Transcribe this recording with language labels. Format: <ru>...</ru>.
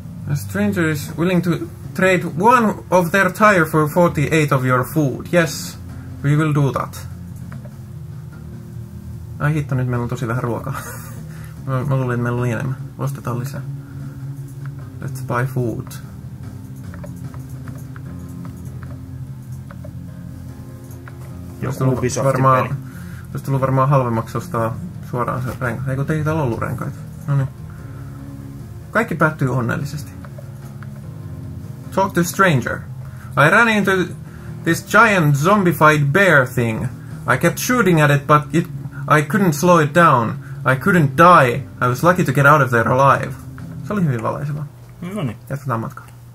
<en>A stranger is willing to trade one of their tire for 48 of your food. Yes, we will do that.</en> <fi>Ai hitto, nyt meillä on tosi vähän ruokaa. Mä luulin, että meillä oli enemmän. Ostetaan lisää.</fi> <en>Let's buy food.</en> <fi>Joku Ubisoftin olisi tullut varmaan halvemmaksi ostaa suoraan se renka. Eikö teillä täällä ollut renkaita? Noniin. Kaikki päättyy onnellisesti.</fi> <en>Talk to stranger. I ran into this giant zombified bear thing. I kept shooting at it, but I couldn't slow it down. I couldn't die. I was lucky to get out of there alive.</en> <fi>Se oli hyvin valaiseva. Noniin. Jatketaan matkaa.</fi>